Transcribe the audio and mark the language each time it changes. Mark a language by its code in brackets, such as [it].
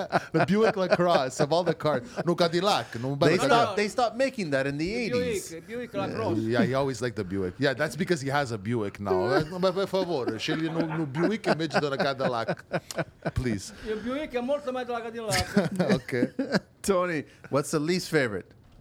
[en] The Buick La Cross of all the cars. No Cadillac. They stopped making that in the 80s. Buick La Cross. Yeah, he always liked the Buick. Yeah, that's because he has a Buick now. [it] Per favore, scegli un Buick in mezzo a Cadillac. [en] Please. [it] Il Buick è molto meglio la Cadillac. [en] Okay. Tony, what's the least favorite